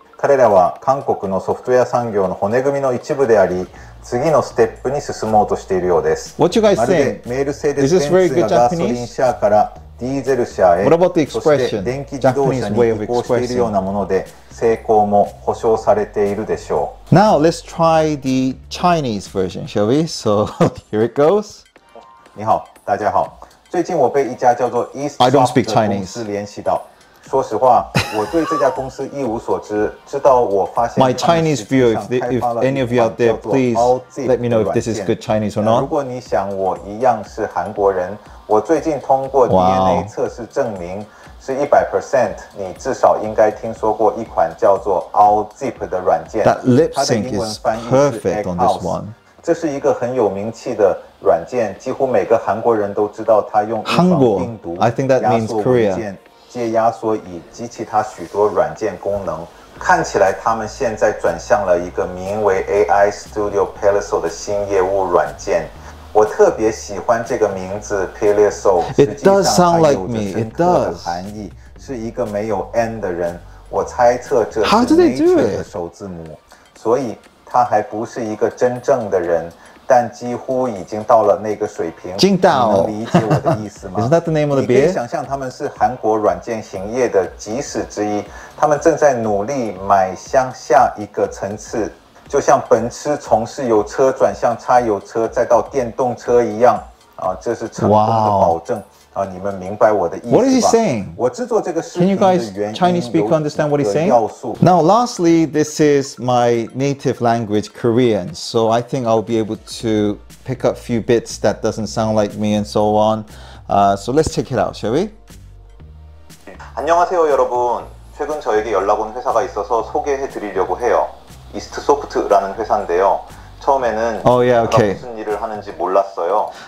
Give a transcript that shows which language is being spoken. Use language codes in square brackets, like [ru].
[ja] 彼らは韓国のソフトウェア産業の骨組みの一部であり、次のステップに進もうとしているようです。 [en] What you guys think? [ja] メルセデス・ベンツがガソリン車からディーゼル車へ、そして電気自動車に移行しているようなもので、成功も保証されているでしょう。 [en] Now, let's try the Chinese version, shall we? So, here it goes. [zh] 你好，大家好。最近我被一家叫做 ESTsoft 的公司联系到。说实话，我对这家公司一无所知。直到我发现 [en] ，My Chinese view, if any of you out there, please let me know if this is good Chinese or not. [zh] 如果你想我一样是韩国人，我最近通过 DNA 测试证明是 100%。你至少应该听说过一款叫做 AllZip 的软件。 [en] That lip sync is perfect on this one. [zh] 这是一个很有名气的软件，几乎每个韩国人都知道它用预防病毒压缩文件。借压缩以及其他许多软件功能，看起来他们现在转向了一个名为 AI Studio Perso 的新业务软件。我特别喜欢这个名字 Perso， 实际上它有着深刻的含义，是一个没有 N 的人。我猜测这是 Nature 的首字母，所以他还不是一个真正的人。但几乎已经到了那个水平，你能理解我的意思吗？ [en] Isn't that the name of the beer? [zh] 你可以想象他们是韩国软件行业的基石之一，他们正在努力迈向下一个层次，就像奔驰从试油车转向柴油车再到电动车一样，这是成功的保证。你们明白我的意思吧？ [en] What is he saying? [zh] 我制作这个视频的原因有几个要素。 [en] Chinese speaker understand what he's saying? Now, lastly, this is my native language, Korean. So I think I'll be able to pick up a few bits that doesn't sound like me and so on. So let's check it out, shall we? [ko] 안녕하세요, 여러분. 최근 저에게 연락 온 회사가 있어서 소개해 드리려고 해요. ESTsoft라는 회사인데요. 처음에는 무슨 일을 하는지 몰랐어요.